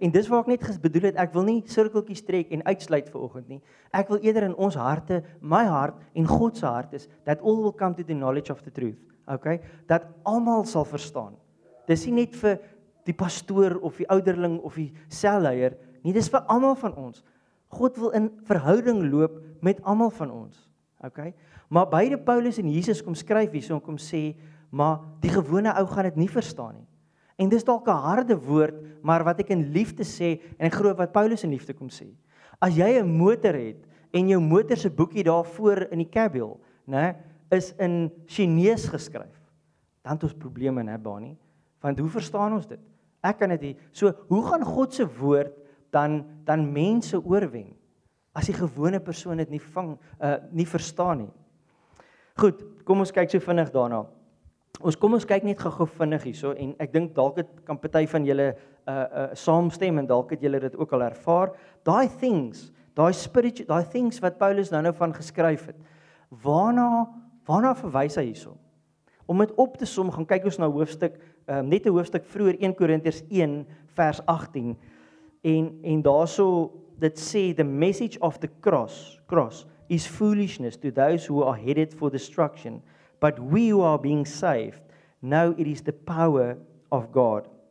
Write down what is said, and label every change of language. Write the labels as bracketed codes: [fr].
[af] En dis waar ek net bedoel het, ek wil nie sirkeltjies trek en uitsluit vir oggend nie. Ek wil eerder in ons harte, my hart en God se hart is [en] that all will come to the knowledge of the truth. [af] Okay? Dat almal sal verstaan. Dis nie net vir die pastoor of die ouderling of die selleier nie, dis vir almal van ons. God wil in verhouding loop met almal van ons. Okay? Maar beide Paulus en Jesus kom skryf hierso en kom sê, maar die gewone ou gaan dit nie verstaan nie. En dis dalk 'n harde woord, maar wat ek in liefde sê en ek glo wat Paulus in liefde kom sê. As jy 'n motor het en jou motor se boekie daar voor in die cabiel, né, is in Chinees geskryf, dan het ons probleme, né, Bonnie? Want hoe verstaan ons dit? Ek kan dit nie. So, hoe gaan God se woord dan mense oorwen as die gewone persoon dit nie vang nie verstaan nie? Goed, kom ons kyk so vinnig daarna. Ons kyk net gou vinnig hierso en ek dink dalk het kan party van julle saamstem en dalk het julle dit ook al ervaar. Daai things, daai spiritual, daai things wat Paulus nou van geskryf het. Waarna verwys hy hierso? Om dit op te som, gaan kyk ons na hoofstuk net 'n hoofstuk vroeër 1 Korintiërs 1 vers 18. En daarso dit sê [en] the message of the cross is foolishness to those who are headed for destruction. But we who are being saved, now it is the power of God.